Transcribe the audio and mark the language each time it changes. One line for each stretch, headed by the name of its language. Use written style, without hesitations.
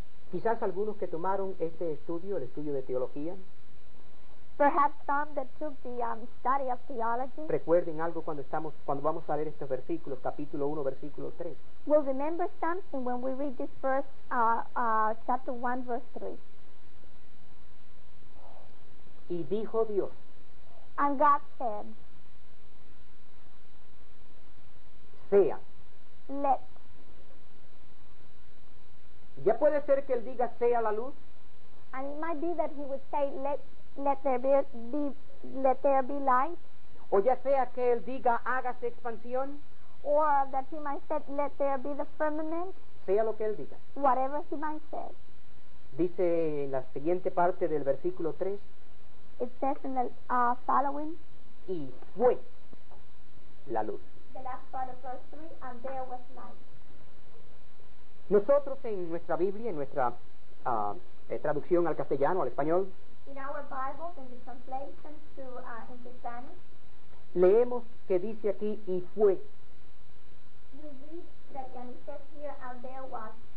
Spanish: Quizás algunos que tomaron este estudio, el estudio de teología.
English: Perhaps some that took the study of theology.
Spanish: Recuerden algo cuando vamos a leer estos versículos, capítulo 1, versículo 3.
English: We'll remember something when we read this verse, chapter 1, verse 3.
Spanish: Y dijo Dios.
English: And God said.
Spanish: Sea.
English: Let.
Spanish: Ya puede ser que él diga sea la luz.
English: And it might be that he would say let there be light.
Spanish: O ya sea que él diga hágase expansión.
English: Or that he might say let there be the firmament.
Spanish: Sea lo que él diga.
English: Whatever he might say.
Spanish: Dice en la siguiente parte del versículo 3.
English: It says in the following.
Spanish: Y fue la luz.
English: The last part of verse 3, and there was light.
Spanish: Nosotros en nuestra Biblia, en nuestra traducción al castellano, al español,
English: in our Bibles, in the translation to in the Spanish,
Spanish: leemos que dice aquí y fue.
English: We read that and it says here and there was.